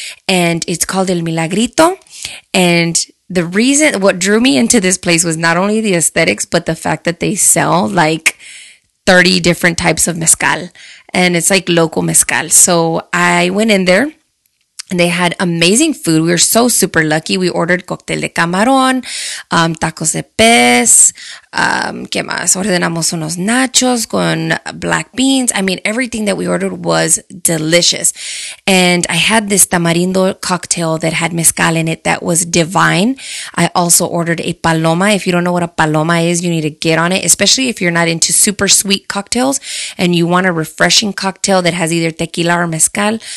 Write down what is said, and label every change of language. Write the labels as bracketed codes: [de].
[en] And it's called El Milagrito. And the reason what drew me into this place was not only the aesthetics, but the fact that they sell like 30 different types of mezcal. And it's like local mezcal. So I went in there And they had amazing food. We were so super lucky. We ordered [es] cóctel de camarón, tacos de pez, ¿qué más? Ordenamos unos nachos con black beans. [en] I mean, everything that we ordered was delicious. And I had this tamarindo cocktail that had mezcal in it that was divine. I also ordered a paloma. If you don't know what a paloma is, you need to get on it, especially if you're not into super sweet cocktails and you want a refreshing cocktail that has either tequila or mezcal.